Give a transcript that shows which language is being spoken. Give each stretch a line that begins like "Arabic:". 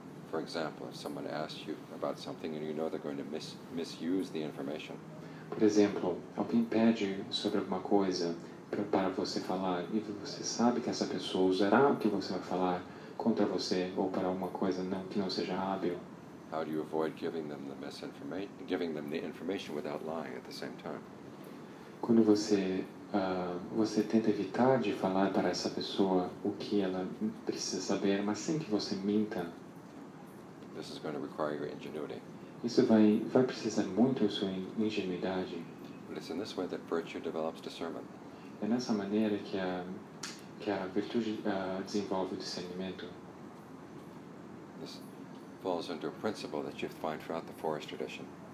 English: For example, if someone asks you about something and you know they're going to misuse the information.
Portuguese: Por exemplo, alguém pede sobre alguma coisa para você falar e você sabe que essa pessoa usará o que você vai falar contra você ou para alguma coisa não, que não seja hábil.
English: How do you avoid giving them the information without lying at the same time?
Portuguese: Quando você tenta evitar de falar para essa pessoa o que ela precisa saber, mas sem que você minta.
English: This is going to require your ingenuity.
Portuguese: Isso vai precisar muito da sua ingenuidade.
English: But it's in this way that virtue develops discernment.
Portuguese: É nessa maneira que a virtude desenvolve o discernimento.
English: This falls into a principle that you find throughout the forest tradition.